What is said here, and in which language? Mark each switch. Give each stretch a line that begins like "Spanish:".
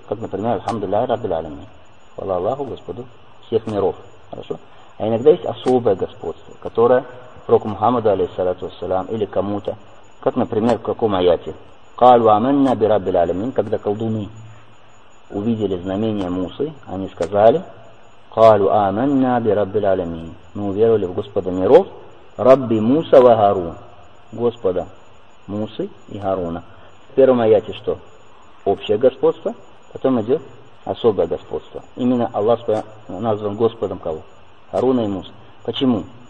Russian: Как, например,
Arabic: «Альхамдуллах Раббиль Алямин».
Russian: «Хвала Аллаху, Господу всех миров». Хорошо? А иногда есть особое господство, которое пророку Мухаммаду, алейхиссалату вассалям, или кому-то, как, например, в каком аяте?
Arabic: «Каль ва аманна би Раббиль Алямин».
Russian: Когда колдуны увидели знамение Мусы, они сказали,
Arabic: قالوا آمنا برب العالمين.
Russian: Мы уверовали в Господа миров,
Arabic: Рабби Муса ва Гарун.
Russian: Господа Мусы и Гаруна. В первом аяте что? Общее господство, потом идет особое господство. Именно Аллах назван Господом кого? Гаруна и Муса. Почему?